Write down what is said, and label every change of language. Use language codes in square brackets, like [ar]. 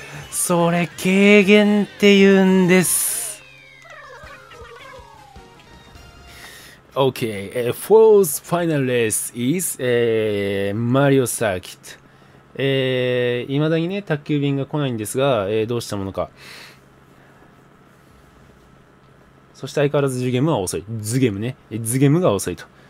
[ja] それ、軽減って言うんです。 [en] OK. Fourth final race is Mario Circuit. [ja] いまだにね、宅急便が来ないんですが、どうしたものか。そして相変わらずズゲームは遅い。ズゲームね。ズゲームが遅いと。